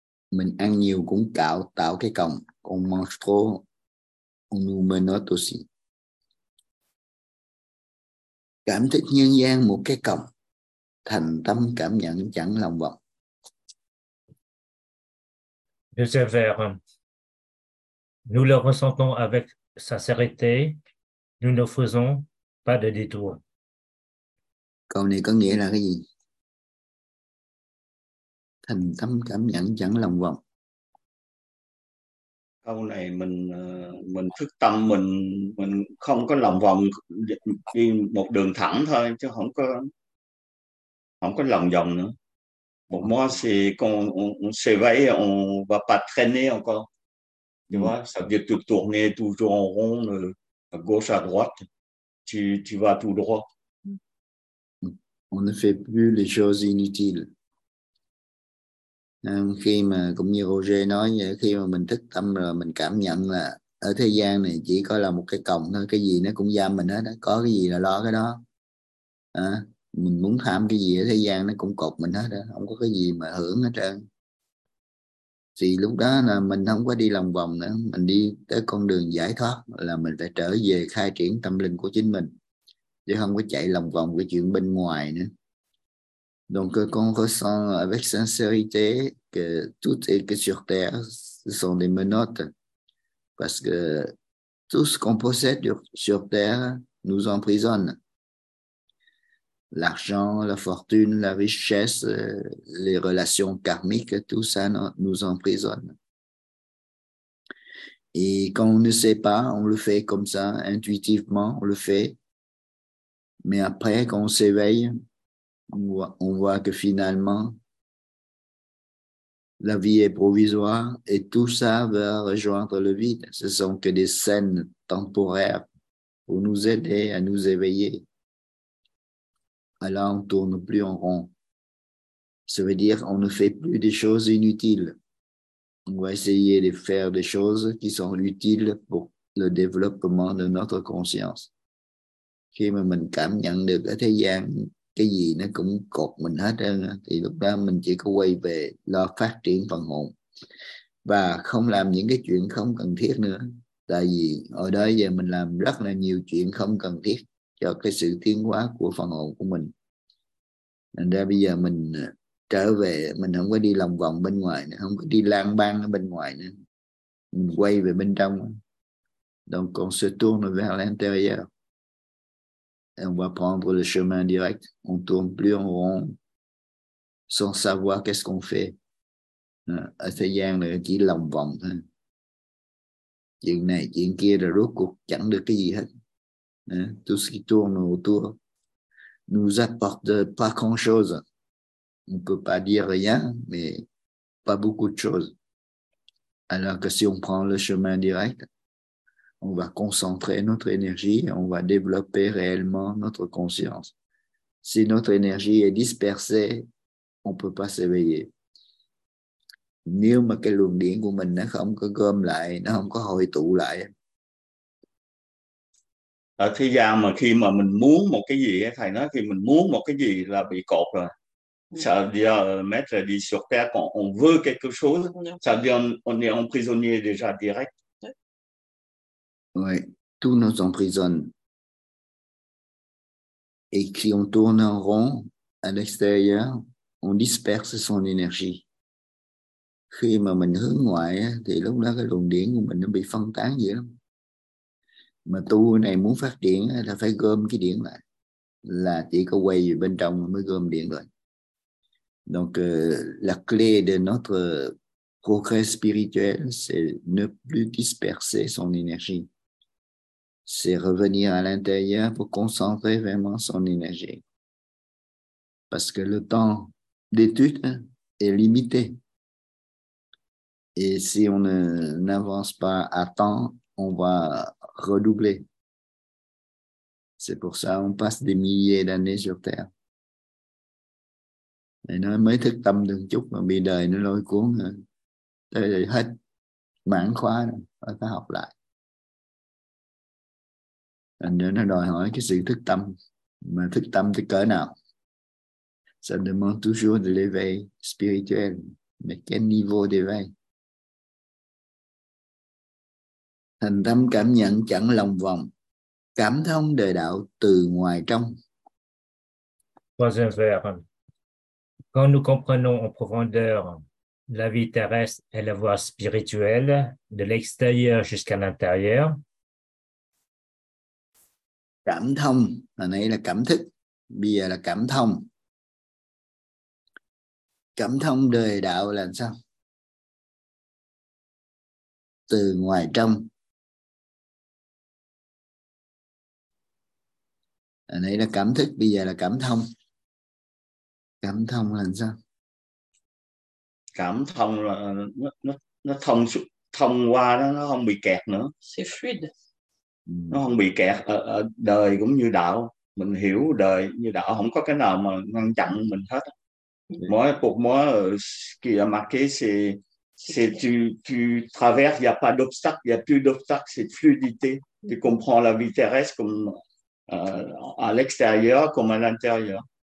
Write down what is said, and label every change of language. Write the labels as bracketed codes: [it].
[vi] Mình ăn nhiều cũng cạo tạo cái còng. [fr] On mange trop, on nous menotte aussi. [vi] Cảm thích nhân gian một cái còng, thành tâm cảm nhận chẳng lòng vọng. [fr] Les vers, nous le ressentons avec sincérité, nous ne faisons pas de détour. [vi] Câu này có nghĩa là cái gì? Thành tâm cảm nhận chẳng lòng vòng. Câu này mình thức tâm mình không có lòng vòng, đi một đường thẳng thôi chứ không có lòng vòng nữa. [fr] Bon, moi c'est quand on s'éveille on va pas traîner encore. Tu vois, ça veut dire tourner toujours en rond à gauche à droite. Tu vas tout droit. On ne fait plus les choses inutiles. [vi] Khi mà cũng như Roger nói, khi mà mình thức tâm rồi mình cảm nhận là ở thế gian này chỉ có là một cái còng thôi, cái gì nó cũng giam mình hết, có cái gì là lo cái đó. À, mình muốn tham cái gì ở thế gian nó cũng cột mình hết, không có cái gì mà hưởng hết trơn. Thì lúc đó là mình không có đi lòng vòng nữa, mình đi tới con đường giải thoát là mình phải trở về khai triển tâm linh của chính mình, chứ không có chạy lòng vòng cái chuyện bên ngoài nữa. [fr] Donc, quand on ressent avec sincérité, que tout et que sur terre, ce sont des menottes, parce que tout ce qu'on possède sur terre nous emprisonne. L'argent, la fortune, la richesse, les relations karmiques, tout ça nous emprisonne. Et quand on ne sait pas, on le fait comme ça, intuitivement, on le fait. Mais après, quand on s'éveille, on voit que finalement, la vie est provisoire et tout ça va rejoindre le vide. Ce ne sont que des scènes temporaires pour nous aider à nous éveiller. Alors, on ne tourne plus en rond. Ça veut dire qu'on ne fait plus des choses inutiles. On va essayer de faire des choses qui sont utiles pour le développement de notre conscience. [vi] Khi mà mình cảm nhận được ở thế gian cái gì nó cũng cột mình hết trơn thì lúc đó mình chỉ có quay về lo phát triển phần hồn và không làm những cái chuyện không cần thiết nữa. Tại vì ở đó giờ mình làm rất là nhiều chuyện không cần thiết cho cái sự tiến hóa của phần hồn của mình. Nên ra bây giờ mình trở về, mình không có đi lòng vòng bên ngoài nữa, không có đi lang bang ở bên ngoài nữa. Mình quay về bên trong. [fr] Donc on se tourne vers l'intérieur. Et on va prendre le chemin direct. On ne tourne plus en rond sans savoir qu'est-ce qu'on fait. Essayant de dire lòng vòng. [vi] Chuyện này, chuyện kia là rốt cuộc chẳng được cái gì hết. [fr] Tout ce qui tourne autour ne nous apporte pas grand-chose. On ne peut pas dire rien, mais pas beaucoup de choses. Alors que si on prend le chemin direct, on va concentrer notre énergie, on va développer réellement notre conscience. Si notre énergie est dispersée, on ne peut pas s'éveiller. [vi] Nếu mà cái luồng điện của mình nó không có gom lại, nó không có hội tụ lại. Ở thế gian mà khi mà mình muốn một cái gì, thầy nói khi mình muốn một cái gì là bị cột rồi. [fr] Ça devient mettre des sur terre quand on veut quelque chose, ça devient, on est emprisonnier déjà direct. Oui, tout nous emprisonne. Et si on tourne en rond à l'extérieur, on disperse son énergie. [vi] Khi mà mình hướng ngoại thì lúc đó cái luồng điện của mình nó bị phân tán dữ lắm. Mà tu này muốn phát điện là phải gom cái điện lại. Là chỉ có quay về bên trong mới gom điện rồi. [fr] Donc la clé de notre progrès spirituel, c'est ne plus disperser son énergie. C'est revenir à l'intérieur pour concentrer vraiment son énergie. Parce que le temps d'étude est limité. Et si on n'avance pas à temps, on va redoubler. C'est pour ça qu'on passe des milliers d'années sur Terre. [vi] Thầy nói mới thức tâm được một chút mà bị đời nó lôi cuốn rồi. Tới đây hết mãn khóa rồi, phải học lại. Thành ra nó đòi hỏi cái sự thức tâm. Mà thức tâm tới cỡ nào? [fr] Ça demande toujours de l'éveil spirituel. Mais quel niveau d'éveil? [vi] Thành tâm cảm nhận chẳng lòng vòng. Cảm thông đời đạo từ ngoài trong. [fr] Troisième vers. Quand nous comprenons en profondeur la vie terrestre et la voie spirituelle, de l'extérieur jusqu'à l'intérieur, [vi] cảm thông, hồi nãy là cảm thức, bây giờ là cảm thông. Cảm thông đời đạo là sao? Từ ngoài trong. Hồi nãy là cảm thức, bây giờ là cảm thông. Cảm thông là sao? Cảm thông là nó thông thông qua đó, nó không bị kẹt nữa. [fr] C'est fluide. [vi] Nó không bị kẹt ở đời cũng như đạo. Mình hiểu đời như đạo, không có cái nào mà ngăn chặn mình hết. [fr] Moi, pour moi, ce qui a marqué, c'est tu traverses, il n'y a pas d'obstacle, il n'y a plus d'obstacle, c'est fluidité. Tu comprends la vie terrestre comme à l'extérieur comme à l'intérieur.